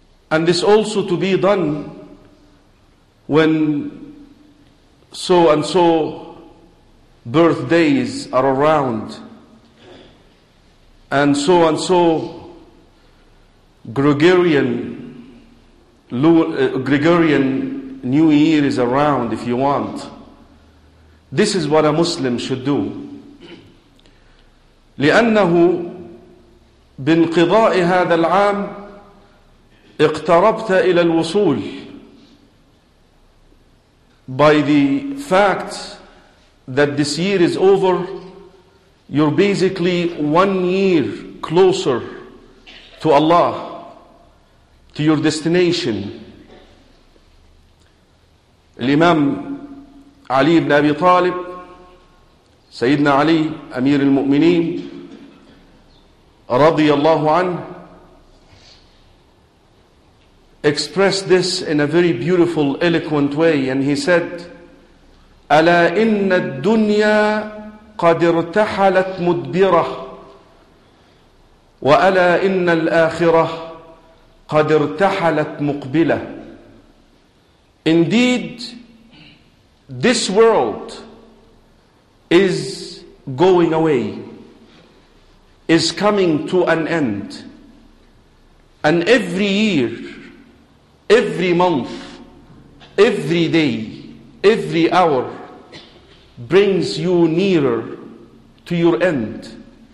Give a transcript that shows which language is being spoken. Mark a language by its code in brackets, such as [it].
[en] And this also to be done when so and so birthdays are around, and so Gregorian New Year is around, if you want. This is what a Muslim should do. [ar] لأنه بانقضاء هذا العام اقتربت إلى الوصول. By the fact that this year is over, you're basically 1 year closer to Allah, to your destination. الإمام علي بن أبي طالب, سيدنا علي أمير المؤمنين رضي الله عنه, [en] expressed this in a very beautiful, eloquent way, and he said, [ar] ألا إن الدنيا قد ارتحلت مدبرة وألا إن الآخرة قد ارتحلت مقبلة. [en] Indeed, this world is going away, is coming to an end. And every year, every month, every day, every hour brings you nearer to your end.